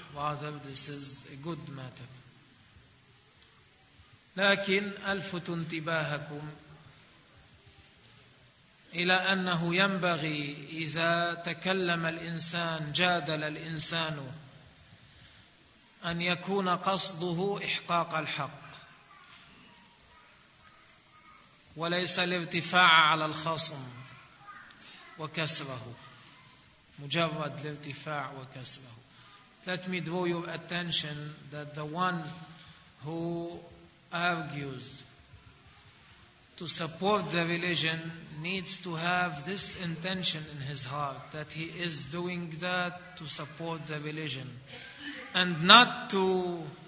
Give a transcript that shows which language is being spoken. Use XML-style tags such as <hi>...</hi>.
<en>Rather, this is a good matter.</en> <ar>لكن ألفت انتباهكم إلى أنه ينبغي إذا تكلم الإنسان، جادل الإنسان، أن يكون قصده إحقاق الحق وليس الارتفاع على الخصم وكسره. مجرد الارتفاع وكسره.</ar> <en>Let me draw your attention that the one who argues to support the religion needs to have this intention in his heart, that he is doing that to support the religion and not to</en>